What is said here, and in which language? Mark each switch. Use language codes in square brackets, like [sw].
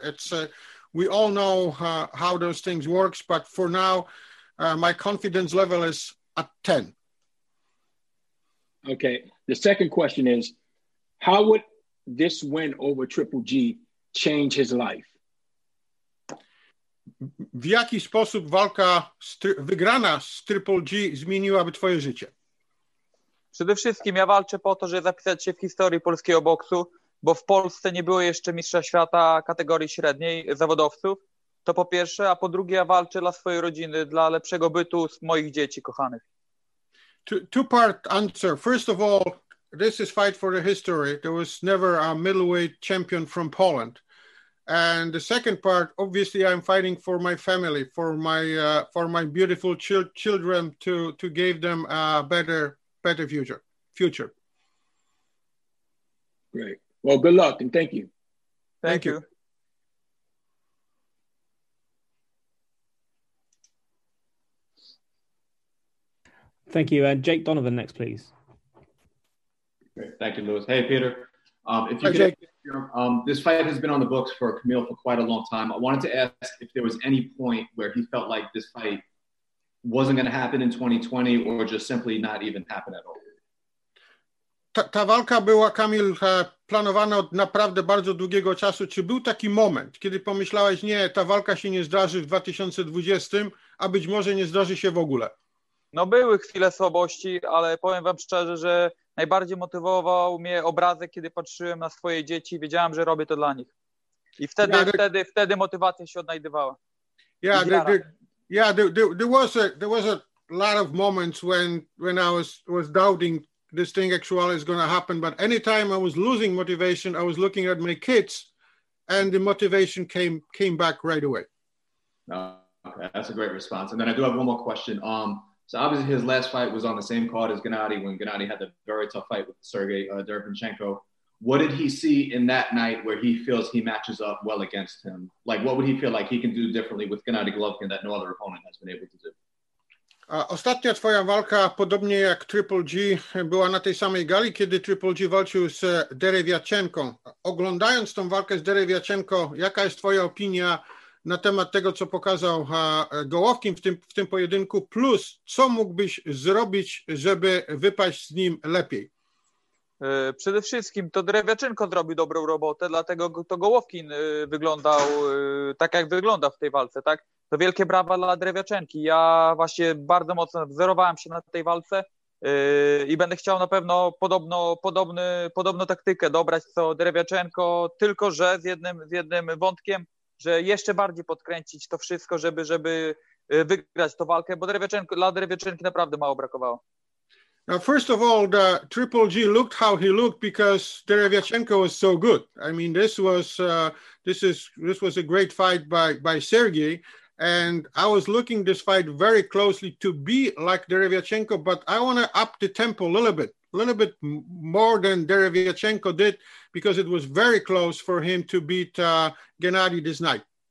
[en] It's we all know how those things works. But for now, my confidence level is at 10. Okay. The second question is, how would this win over Triple G change his life? [pl] W jaki sposób walka wygrana z Triple G zmieniłaby twoje życie? Przede wszystkim ja walczę po to, żeby zapisać się w historii polskiego boksu, bo w Polsce nie było jeszcze mistrza świata kategorii średniej zawodowców. To po pierwsze, a po drugie ja walczę dla swojej rodziny, dla lepszego bytu z moich dzieci kochanych. [en] Two-part answer. First of all, this is fight for the history. There was never a middleweight champion from Poland. And the second part, obviously, I'm fighting for my family, for my beautiful children to give them a better future. Great. Well, good luck and thank you. Thank you. Thank you. And Jake Donovan next, please. Great. Thank you, Lewis. Hey, Peter. This fight has been on the books for Kamil for quite a long time. I wanted to ask if there was any point where he felt like this fight wasn't going to happen in 2020 or just simply not even happen at all. [pl] Ta walka była, Kamil, planowana od naprawdę bardzo długiego czasu. Czy był taki moment, kiedy pomyślałeś, nie, ta walka się nie zdarzy w 2020, a być może nie zdarzy się w ogóle? No były chwile słabości, ale powiem wam szczerze, że najbardziej motywował mnie obrazek, kiedy patrzyłem na swoje dzieci i wiedziałem, że robię to dla nich. I wtedy motywacja się odnajdywała. [en] There was a lot of moments when I was doubting this thing actually is going to happen. But anytime I was losing motivation, I was looking at my kids, and the motivation came back right away. Okay, that's a great response. And then I do have one more question. So obviously his last fight was on the same card as Gennady, when Gennady had the very tough fight with Sergey Derevyanchenko. What did he see in that night where he feels he matches up well against him? Like, what would he feel like he can do differently with Gennady Golovkin that no other opponent has been able to do? [pl] Ostatnia twoja walka, podobnie jak Triple G, była na tej samej gali, kiedy Triple G walczył z Derevyanchenko. Oglądając tą walkę z Derevyanchenko, jaka jest twoja opinia na temat tego, co pokazał Golovkin w tym pojedynku, plus co mógłbyś zrobić, żeby wypaść z nim lepiej? Przede wszystkim to Derevyanchenko zrobi dobrą robotę, dlatego to Golovkin wyglądał tak, jak wygląda w tej walce, tak? To wielkie brawa dla Derevyanchenki. Ja właśnie bardzo mocno wzorowałem się na tej walce i będę chciał na pewno podobną taktykę dobrać co Derevyanchenko, tylko że z jednym wątkiem, że jeszcze bardziej podkręcić to wszystko, żeby wygrać tę walkę, bo dla Derevyanchenki naprawdę mało brakowało. [en] Now, first of all, the Triple G looked how he looked because Derevyanchenko was so good. I mean, this was a great fight by Sergey, and I was looking this fight very closely to be like Derevyanchenko, but I want to up the tempo a little bit more than Derevyanchenko did, because it was very close for him to beat Gennady this night.